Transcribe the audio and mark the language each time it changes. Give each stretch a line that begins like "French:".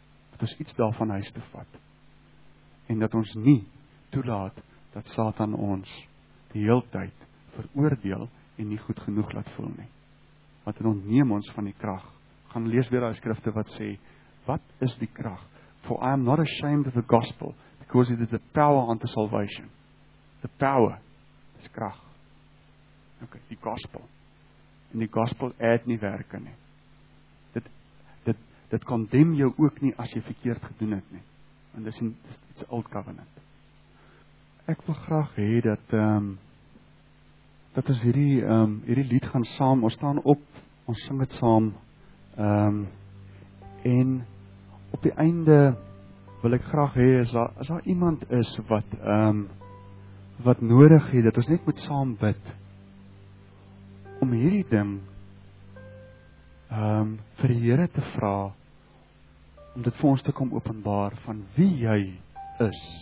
Afrikaans: Dat ons iets daarvan huis te vat. En dat ons nie toelaat dat Satan ons die hele tyd veroordeel en nie goed genoeg laat voel nie. Wat het ontneem ons van die krag. Gaan lees weer die skrifte wat sê, wat is die krag?
English: For I am not ashamed of the gospel, because it is the power unto salvation. The power is krag. Ok,
Afrikaans: die gospel. En die gospel het nie werke nie. Dit condemn jou ook nie as jy verkeerd gedoen het nie. En dis die old covenant. Ek wil graag hê dat, dat ons hierdie lied gaan saam, ons staan op, ons sing het saam, en op die einde wil ek graag hê, as daar iemand is wat, wat nodig het, dat ons net moet saam bid, om hierdie ding vir die Here te vra, om dit vir ons te kom openbaar, van wie jy is.